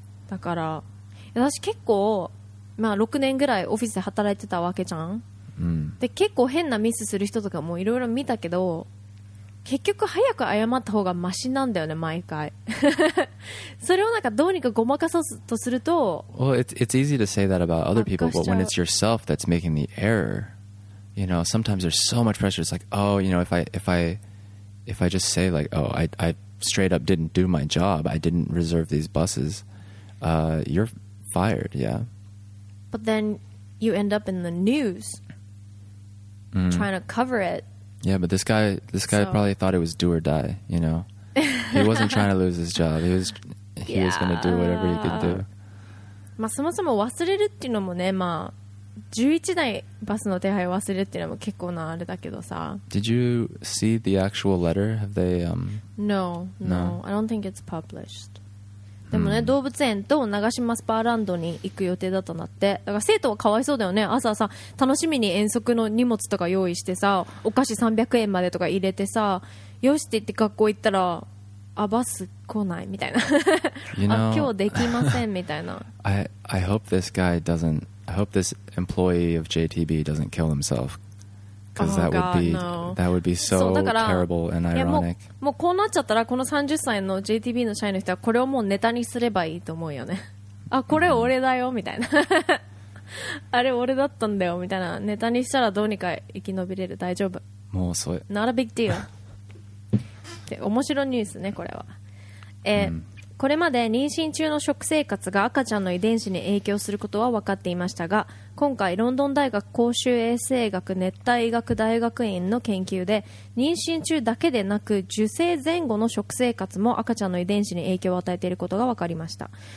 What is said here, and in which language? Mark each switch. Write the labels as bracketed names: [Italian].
[Japanese] だから私結構、まあ6年ぐらいオフィスで働いてたわけじゃん。で、結構変なミスする人とかもいろいろ見たけど、結局早く謝った方がマシなんだよね、毎回。それをなんかどうにかごまかそうとすると、 [English] Well, it's easy to say that about other people, but when it's yourself that's making the error, you know, sometimes there's so much pressure. It's like, oh, you know, if I just say like, oh, I straight up didn't do my job, I didn't reserve these buses, you're fired, yeah. But then you end up in the news trying to cover it. Yeah, but this guy probably thought it was do or die, you know. He wasn't trying to lose his job. He was going to do whatever he could do. [Japanese] まあ、そもそも忘れるっていうのもね、まあ、11台バスの手配忘れるっていうのも結構なあれだけどさ。 [English] Did you see the actual letter? Have they No, I don't think it's published. [Japanese] でもね、うん、動物園と長島スパーランドに行く予定だったんだって。だから生徒はかわいそうだよね。朝さ楽しみに遠足の荷物とか用意してさ、お菓子300円までとか入れてさ、よしって言って学校行ったらあバス来ないみたいな [English] you know, [Japanese] 今日できませんみたいな。 [English] I hope this guy doesn't, I hope this employee of JTB doesn't kill himself, because、 oh, that would be、 no. that would be so terrible and ironic. [Japanese] もうこうなっちゃったら、この30歳の JTB の社員の人はこれをもうネタにすればいいと思うよね。あこれ俺だよみたいなあれ俺だったんだよみたいな、ネタにしたらどうにか生き延びれる、大丈夫、もうそれ [English] not a big deal [Japanese] 面白いニュースねこれは、うん、これまで妊娠中の食生活が赤ちゃんの遺伝子に影響することは分かっていましたが、今回ロンドン大学公衆衛生学熱帯医学大学院の研究で、妊娠中だけでなく受精前後の食生活も赤ちゃんの遺伝子に影響を与えていることが分かりました。